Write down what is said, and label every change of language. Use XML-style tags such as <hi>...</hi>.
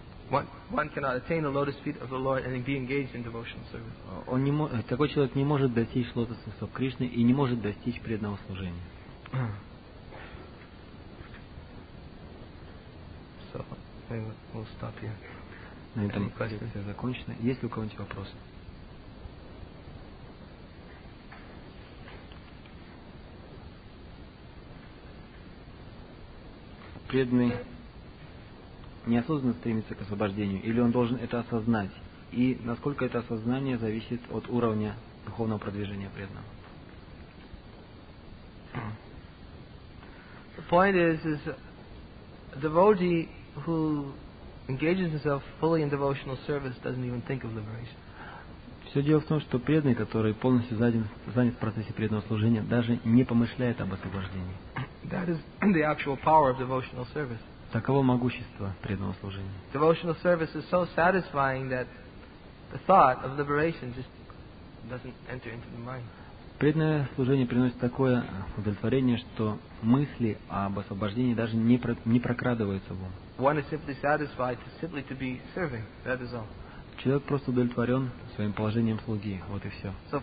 <en>One cannot attain the lotus feet of the Lord and be engaged in devotional service.</en> <ru>Такой человек не может достичь лотосных стоп Кришны и не может достичь преданного служения.</ru> <en>So we'll stop here.</en> <ru>На этом все закончено. Есть ли у кого-нибудь вопросы? Преданный неосознанно стремится к освобождению, или он должен это осознать? И насколько это осознание зависит от уровня духовного продвижения преданного?</ru> <en>The point is a devotee who engages himself fully in devotional service doesn't even think of liberation.</en> <ru>Все дело в том, что преданный, который полностью занят в процессе преданного служения, даже не помышляет об освобождении.</ru> <en>That is the actual power of devotional service.</en> <ru>Таково могущество преданного служения.</ru> <en>Devotional service is so satisfying that the thought of liberation just doesn't enter into the mind.</en> <ru>Преданное служение приносит такое удовлетворение, что мысли об освобождении даже не прокрадываются в ум. Человек просто удовлетворен своим положением слуги. Вот и все.</ru>